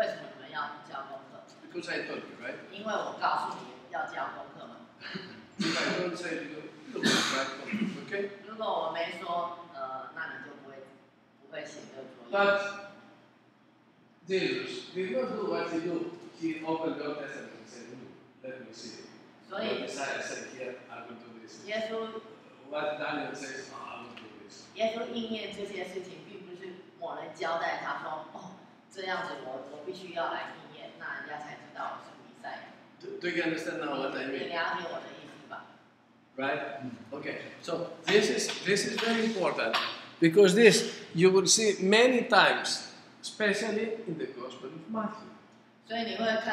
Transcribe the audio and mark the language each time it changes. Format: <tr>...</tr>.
<zh>那我说，如果你们交功课，那我再问你，为什么你们要交功课？</zh> <en>Because I told you, right?</en> <zh>因为我告诉你要交功课嘛。</zh> <en>If I don't say to you, you don't write homework. Okay.</en> <zh>如果我没说，那你就不会写这个作业。</zh> <en>But Jesus did not do what he do. He opened your testament and said, "Let me see."</en> <zh>所以</zh> <en>Messiah said, "Here, I will do this."</en> <zh>耶稣</zh> <en>What Daniel says, "Oh, I will do this."</en> <zh>耶稣应验这些事情，并不是某人交代他说，哦，这样子我必须要来应验，那人家才知道我是弥赛亚。</zh> <en>Do you understand now what I mean?</en> <zh>你了解我的意思。</zh> <en>Right? Okay. So this is very important because this you will see many times, especially in the Gospel of Matthew.</en>